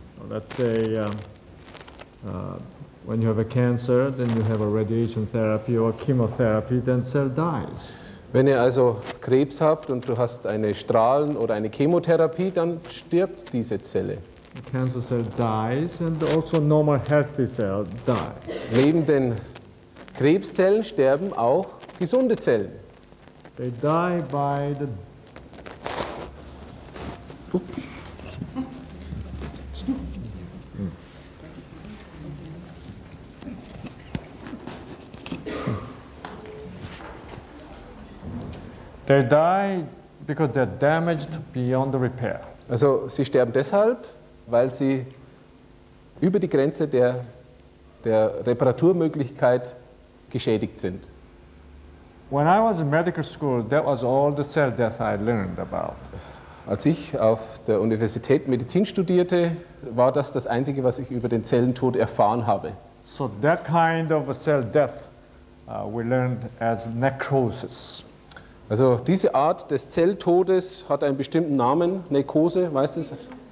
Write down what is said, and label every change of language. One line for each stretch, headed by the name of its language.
English: Let's say, when you have a cancer, then you have a radiation therapy or chemotherapy, then cell dies.
German: Wenn ihr also Krebs habt und du hast eine Strahlen- oder eine Chemotherapie, dann stirbt diese Zelle.
English: The cancer cell dies and also normal healthy cell dies.
German: Neben den Krebszellen sterben auch gesunde Zellen.
English: They die by the... They die because they're damaged beyond the repair.
German: Also, sie sterben deshalb, weil sie über die Grenze der Reparaturmöglichkeit geschädigt sind.
English: When I was in medical school, that was all the cell death I learned about.
German: Als ich auf der Universität Medizin studierte, war das das Einzige, was ich über den Zellentod erfahren habe.
English: So that kind of a cell death we learned as necrosis.
German: Also diese Art des Zelltodes hat einen bestimmten Namen, Nekrose, weißt du es?